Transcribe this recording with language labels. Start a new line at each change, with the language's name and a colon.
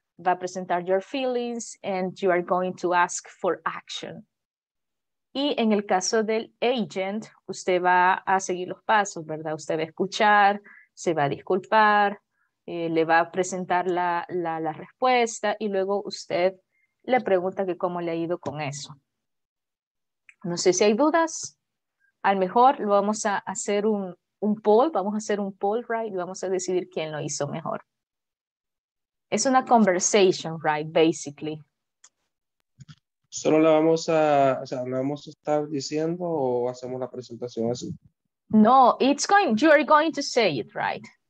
Spanish: va a presentar
English: your feelings and you are going to ask for action.
Spanish: Y en el caso del agent, usted va a seguir los pasos, ¿verdad? Usted va a escuchar, se va a disculpar, le va a presentar la respuesta y luego usted le pregunta que cómo le ha ido con eso. No sé si hay dudas. A lo mejor lo
English: vamos a hacer un poll,
Spanish: vamos a hacer un poll, right? Y vamos a decidir quién lo hizo mejor. Es una conversation, right, basically. ¿Solo la vamos a, o sea, la vamos a estar diciendo o hacemos la presentación así?
English: No, it's going, you are going to say it, right?